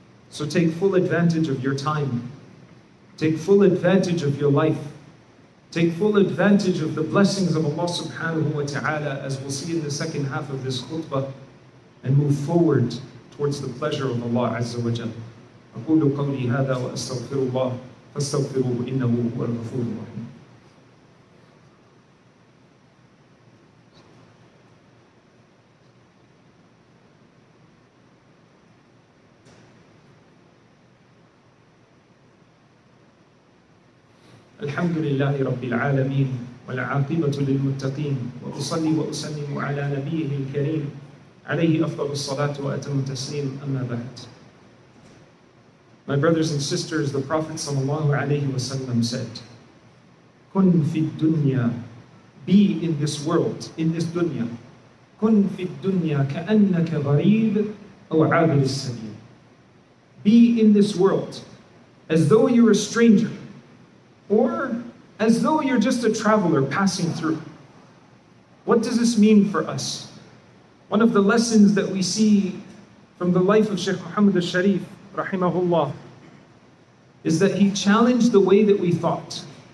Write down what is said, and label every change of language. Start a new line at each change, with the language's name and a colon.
English: So take full advantage of your time. Take full advantage of your life. Take full advantage of the blessings of Allah subhanahu wa ta'ala, as we'll see in the second half of this khutbah, and move forward towards the pleasure of Allah Azza wa Jal.
Arabic: أقول قولي هذا وأستغفر الله فاستغفروه إنه هو الغفور الرحيم. الحمد لله رب العالمين والعاقبة للمتقين وأصلي وأسلم على نبيه الكريم عليه أفضل الصلاة وأتم التسليم أما بعد.
English: My brothers and sisters, the Prophet
Arabic: صلى الله عليه وسلم
English: said,
Arabic: كن في الدنيا,
English: be in this world, in this dunya,
Arabic: كن في الدنيا كأنك غريب أو عابر السبيل.
English: be in this world as though you're a stranger, or as though you're just a traveler passing through. What does this mean for us? One of the lessons that we see from the life of Sheikh Muhammad al-Sharif, rahimahullah, is that he challenged the way that we thought.